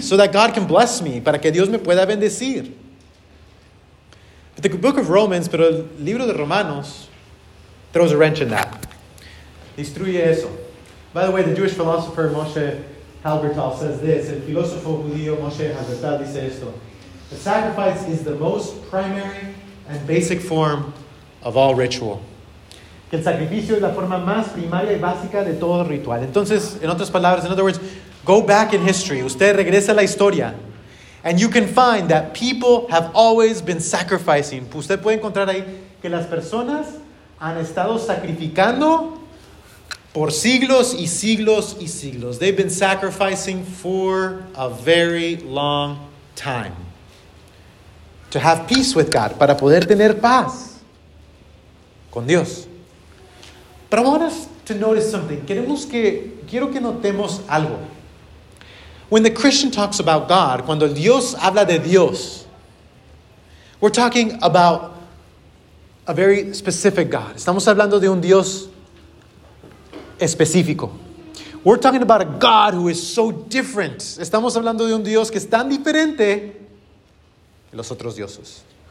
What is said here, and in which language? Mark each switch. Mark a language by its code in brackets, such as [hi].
[en] So that God can bless me. [es] Para que Dios me pueda bendecir. [en] But the book of Romans, [es] pero el libro de Romanos, [en] throws a wrench in that. [es] Destruye eso. [en] By the way, the Jewish philosopher Moshe Halbertal says this. [es] El filósofo judío Moshe Halbertal dice esto. [en] The sacrifice is the most primary and basic form of all ritual. [es] El sacrificio es la forma más primaria y básica de todo ritual. Entonces, en otras palabras, [en] in other words, go back in history. [es] Usted regresa a la historia. [en] And you can find that people have always been sacrificing. [es] Usted puede encontrar ahí que las personas han estado sacrificando por siglos y siglos y siglos. [en] They've been sacrificing for a very long time. To have peace with God. [es] Para poder tener paz con Dios. [en] But I want us to notice something. [es] Quiero que notemos algo. [en] When the Christian talks about God, [es] cuando Dios habla de Dios, [en] we're talking about a very specific God. [es] Estamos hablando de un Dios específico. [en] We're talking about a God who is so different. [es] Estamos hablando de un Dios que es tan diferente que los otros dioses.